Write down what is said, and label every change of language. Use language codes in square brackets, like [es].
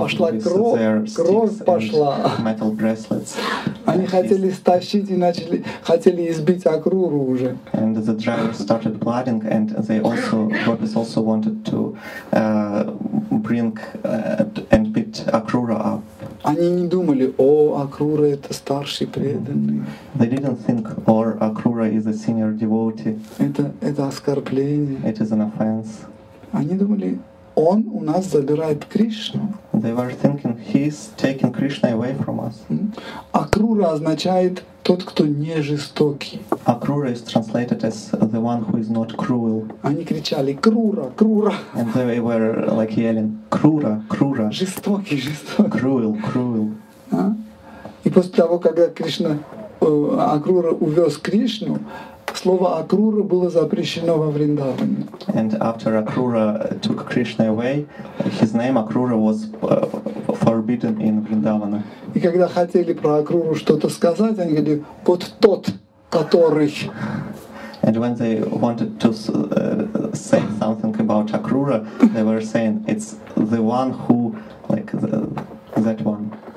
[ru] пошла [en] with [ru] кровь, [en] their sticks [ru] пошла. [en] And metal bracelets. [ru] Они хотели стащить и начали хотели избить Акруру уже. [en] And the driver started blooding, and they also gopis also wanted to bring and beat Акрура up. [ru] Они не думали, о, Акрура это старший преданный. [en] They didn't think, or Акрура is a senior devotee. [ru] Это оскорбление. [en] It is an offense. [ru] Они думали, он у нас забирает Кришну. [en] They were thinking he's taking Krishna away from us. [ru] Акрура означает тот, кто не жестокий. [en] Акрура is translated as the one who is not cruel. [ru] Они кричали Крура, Крура. [en] And they were like yelling Крура, Крура. [ru] Жестокий, жестокий. [en] Cruel, cruel. [ru] И после того, когда Акрура увез Кришну, слово Акрура было запрещено во Вриндаване. [en] And after Акрура took Krishna away, his name Акрура was forbidden in Vrindavana. [ru] И когда хотели про Акруру что-то сказать, они говорили, вот тот, который. [en] And when they wanted to say something about Акрура, they were saying, it's the one who, like, that one.